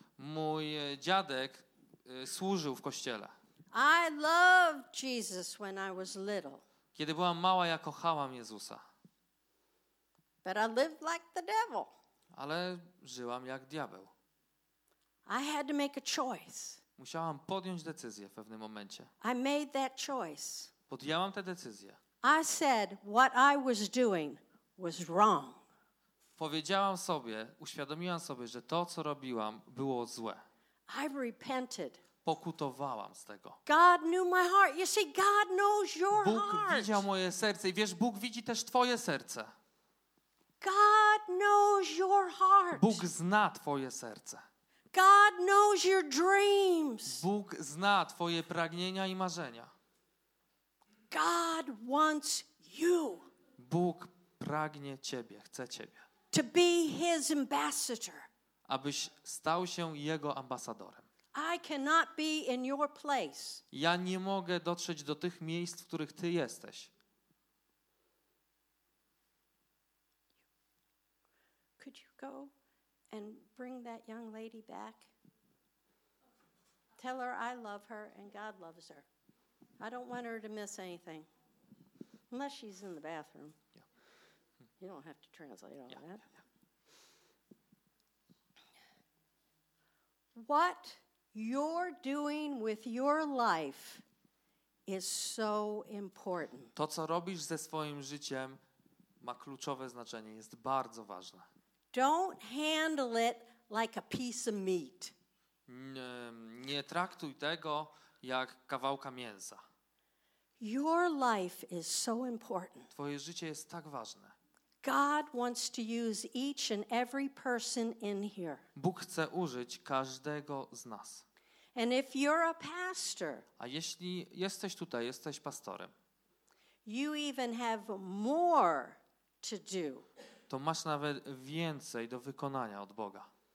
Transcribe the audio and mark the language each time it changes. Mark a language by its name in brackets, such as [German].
[Polish] Mój dziadek służył w kościele. [English] I loved Jesus when I was little. [Polish] Kiedy byłam mała, ja kochałam Jezusa. [English] But I lived like the devil. [Polish] Ale żyłam jak diabeł. [English] I had to make a choice. [Polish] Musiałam podjąć decyzję w pewnym momencie. [English] I made that choice. [Polish] Podjęłam tę decyzję. [English] I said what I was doing was wrong. [Polish] Powiedziałam sobie, uświadomiłam sobie, że to, co robiłam, było złe. [English] I repented. [Polish] Pokutowałam z tego. [English] God knew my heart. You see, God knows your heart. [Polish] Bóg widział moje serce i wiesz, Bóg widzi też twoje serce. [English] God knows your heart. [Polish] Bóg zna twoje serce. [English] God knows your dreams. [Polish] Bóg zna twoje pragnienia i marzenia. [English] God wants you. [Polish] Bóg pragnie ciebie, chce ciebie. [English] To be his ambassador. [Polish] Abyś stał się jego ambasadorem. [English] I cannot be in your place. [Polish] Ja nie mogę dotrzeć do tych miejsc, w których ty jesteś. [English] Could you go and bring that young lady back? Tell her I love her and God loves her. I don't want her to miss anything. Unless she's in the bathroom. Yeah. You don't have to translate all that. What you're doing with your life is so important. [Polish] To, co robisz ze swoim życiem, ma kluczowe znaczenie, jest bardzo ważne. [English] Don't handle it like a piece of meat. [Polish] Nie traktuj tego jak kawałka mięsa. [English] Your life is so important. [Polish] Twoje życie jest tak ważne. [English] God wants to use each and every person in here. [Polish] Bóg chce użyć każdego z nas. [English] And if you're a pastor, [Polish] a jeśli jesteś tutaj, jesteś pastorem, [English] you even have more to do. [Polish] To masz nawet więcej do wykonania od Boga.